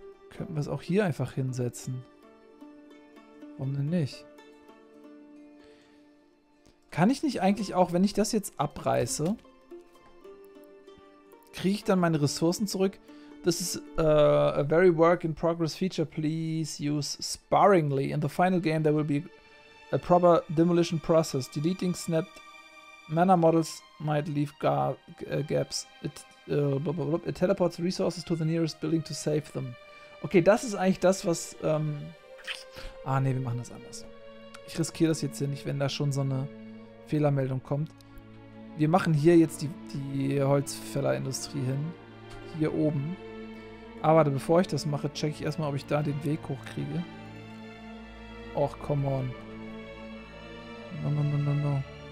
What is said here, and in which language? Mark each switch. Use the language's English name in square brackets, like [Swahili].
[German] Könnten wir es auch hier einfach hinsetzen? Warum denn nicht? Kann ich nicht eigentlich auch, wenn ich das jetzt abreiße, kriege ich dann meine Ressourcen zurück? [English] This is a very work in progress feature. Please use sparingly. In the final game there will be a proper demolition process. Deleting snapped mana models might leave gaps. It teleports resources to the nearest building to save them. [German] Okay, das ist eigentlich das, was... wir machen das anders. Ich riskiere das jetzt hier nicht, wenn da schon so eine Fehlermeldung kommt. Wir machen hier jetzt die Holzfällerindustrie hin. Hier oben. Aber warte, bevor ich das mache, checke ich erstmal, ob ich da den Weg hochkriege. Och, [English] come on. No.